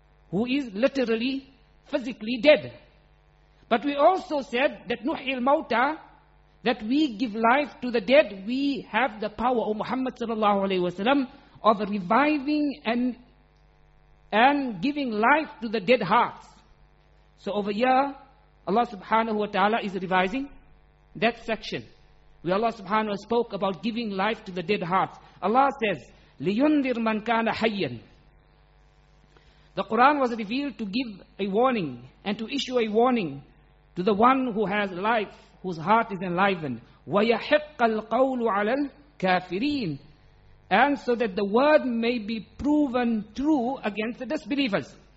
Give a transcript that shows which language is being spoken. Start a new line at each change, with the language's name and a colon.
English: Who is literally, physically dead. But we also said that
Arabic: nuhi al-mawta,
English: that we give life to the dead, we have the power, O Muhammad sallallahu alayhi wa sallam, of reviving and giving life to the dead hearts. So over here, Allah subhanahu wa ta'ala is revising that section where Allah subhanahu wa ta'ala spoke about giving life to the dead hearts.
Arabic: Allah says, لِيُنذِرْ مَنْ كَانَ حَيًّا.
English: The Quran was revealed to give a warning and to issue a warning to the one who has life, whose heart is enlivened.
Arabic: وَيَحِقَّ الْقَوْلُ عَلَى الْكَافِرِينَ.
English: And so that the word may be proven true against the disbelievers.